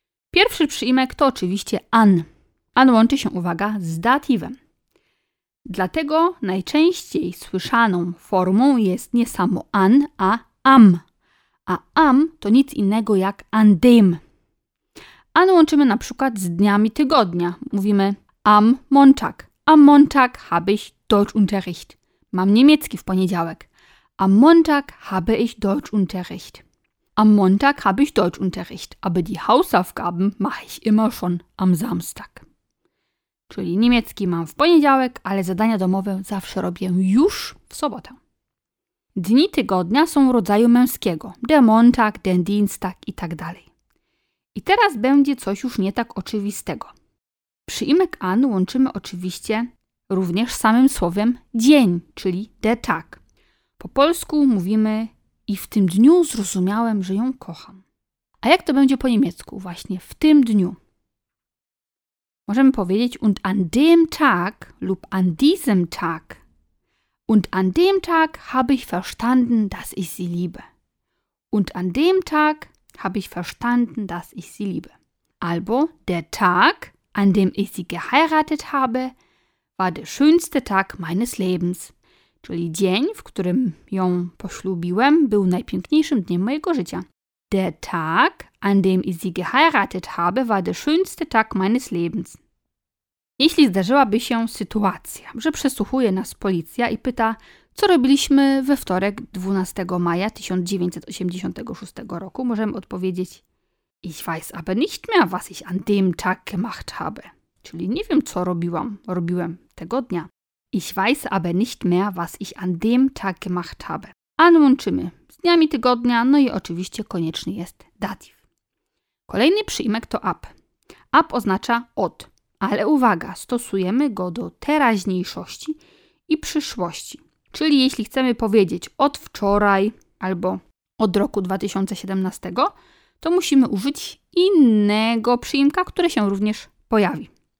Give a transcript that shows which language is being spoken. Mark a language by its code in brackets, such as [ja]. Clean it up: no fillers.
[pl] Pierwszy przyimek to oczywiście an. An łączy się, uwaga, z datywem. Dlatego najczęściej słyszaną formą jest nie samo an, a am. A am to nic innego jak an dem. An łączymy na przykład z dniami tygodnia. Mówimy am Montag. [de] Am Montag habe ich Deutschunterricht. [pl] Mam niemiecki w poniedziałek. [de] Am Montag habe ich Deutschunterricht. Am Montag habe ich Deutschunterricht, aber die Hausaufgaben mache ich immer schon am Samstag. [pl] Czyli niemiecki mam w poniedziałek, ale zadania domowe zawsze robię już w sobotę. Dni tygodnia są rodzaju męskiego. [de] Der Montag, der Dienstag [pl] i tak dalej. I teraz będzie coś już nie tak oczywistego. Przyimek an łączymy oczywiście również samym słowem dzień, czyli der Tag. Po polsku mówimy i w tym dniu zrozumiałem, że ją kocham. A jak to będzie po niemiecku? Właśnie w tym dniu. Możemy powiedzieć [de] und an dem Tag [pl] lub [de] an diesem Tag. Und an dem Tag habe ich verstanden, dass ich sie liebe. Und an dem Tag habe ich verstanden, dass ich sie liebe. [pl] Albo [de] der Tag, an dem ich sie geheiratet habe, war der schönste Tag meines Lebens. [pl] Czyli dzień, w którym ją poślubiłem, był najpiękniejszym dniem mojego życia. [de] Der Tag, an dem ich sie geheiratet habe, war der schönste Tag meines Lebens. [pl] Jeśli zdarzyłaby się sytuacja, że przesłuchuje nas policja i pyta, co robiliśmy we wtorek 12 maja 1986 roku, możemy odpowiedzieć: [de] Ich weiß aber nicht mehr, was ich an dem Tag gemacht habe. [pl] Czyli nie wiem, co robiłem tego dnia. [de] Ich weiß aber nicht mehr, was ich an dem Tag gemacht habe. [pl] An łączymy z dniami tygodnia, no i oczywiście konieczny jest dativ. Kolejny przyimek to ab. Ab oznacza od, ale uwaga, stosujemy go do teraźniejszości i przyszłości. Czyli jeśli chcemy powiedzieć od wczoraj albo od roku 2017, to musimy użyć innego przyimka, który się również pojawi.